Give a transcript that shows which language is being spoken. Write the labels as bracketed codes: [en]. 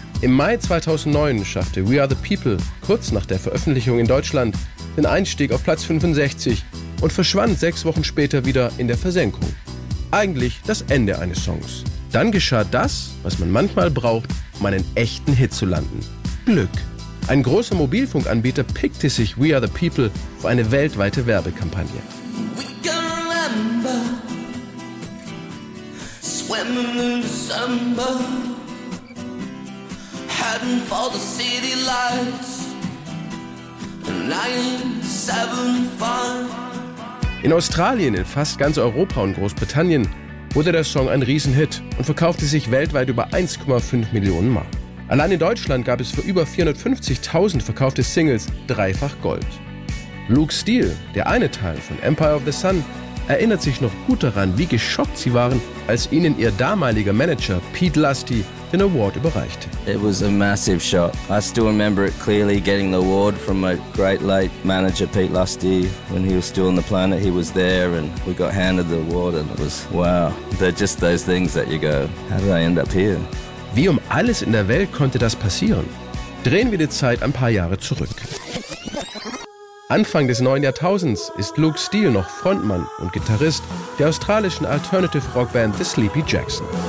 [de] Im Mai 2009 schaffte We Are the People, kurz nach der Veröffentlichung in Deutschland, den Einstieg auf Platz 65 und verschwand 6 Wochen später wieder in der Versenkung. Eigentlich das Ende eines Songs. Dann geschah das, was man manchmal braucht, um einen echten Hit zu landen. Glück. Ein großer Mobilfunkanbieter pickte sich We Are the People für eine weltweite Werbekampagne. [en] We can remember, swimming in December, heading for the city lights, 975. [de] In Australien, in fast ganz Europa und Großbritannien wurde der Song ein Riesenhit und verkaufte sich weltweit über 1,5 Millionen Mal. Allein in Deutschland gab es für über 450.000 verkaufte Singles dreifach Gold. Luke Steele, der eine Teil von Empire of the Sun, erinnert sich noch gut daran, wie geschockt sie waren, als ihnen ihr damaliger Manager Pete Lusty den Award überreichte. [en] It was a massive shock. I still remember it clearly, getting the award from my great late manager Pete Lusty when he was still on the planet. He was there and we got handed the award and it was wow. They're just those things that you go, how did I end up here? [de] Wie um alles in der Welt konnte das passieren? Drehen wir die Zeit ein paar Jahre zurück. Anfang des neuen Jahrtausends ist Luke Steele noch Frontmann und Gitarrist der australischen Alternative-Rockband The Sleepy Jackson.